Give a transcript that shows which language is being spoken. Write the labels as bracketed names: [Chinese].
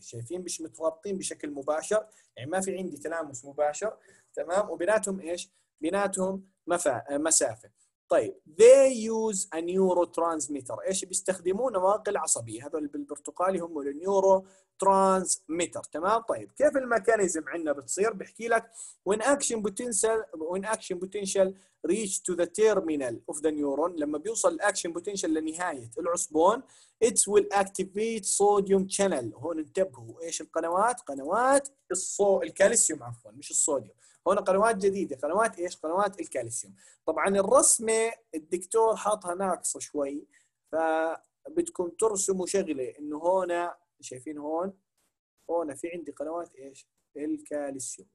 [Arabic] شايفين مش مترابطين بشكل مباشر يعني ما في عندي تلامس مباشر تمام وبيناتهم ايش بيناتهم مسافه. طيب [English] they use a neurotransmitter [Arabic] ايش بيستخدمون نواقل عصبيه. هذول بالبرتقالي هم النيورو ترانسميتر. تمام. طيب كيف الميكانيزم عندنا بتصير؟ بحكي لك [English] when action potential, when action potential reach to the terminal of the neuron, [Arabic] لما بيوصل الاكشن بوتنشال لنهايه العصبون, [English] it will activate sodium channel. [Arabic] هون انتبهوا ايش القنوات, قنوات الكالسيوم, عفوا مش الصوديوم, هون قنوات جديده, قنوات ايش, قنوات الكالسيوم. طبعا الرسمه الدكتور حاطها ناقصه شوي, فبدكم ترسموا شغله انه هون شايفين, هون في عندي قنوات ايش الكالسيوم.